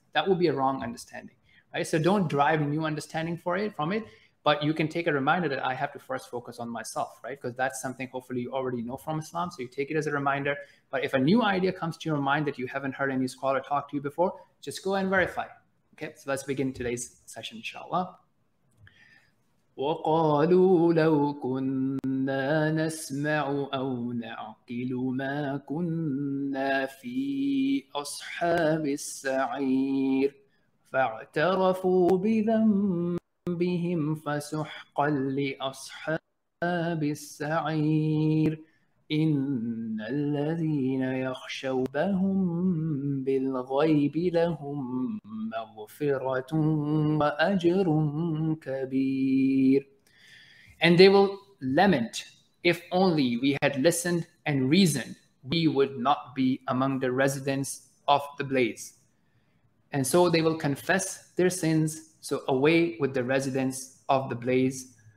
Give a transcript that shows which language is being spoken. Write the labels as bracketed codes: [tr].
[en] That would be a wrong understanding, right? So don't drive new understanding from it, but you can take a reminder that I have to first focus on myself, right? Because that's something hopefully you already know from Islam, so you take it as a reminder. But if a new idea comes to your mind that you haven't heard any scholar talk to you before, just go and verify. Okay, so let's begin today's session, inshallah. [ar] وقالوا لو كنا نسمع أو نعقل ما كنا في أصحاب السعير فاعترفوا بذنبهم فسحقا لأصحاب السعير إن الذين يخشون ربهم بالغيب لهم مغفرة وأجر كبير. [en] And they will lament, if only we had listened and reasoned, we would not be among the residents of the blaze. And so they will confess their sins, so away with the residents of the blaze.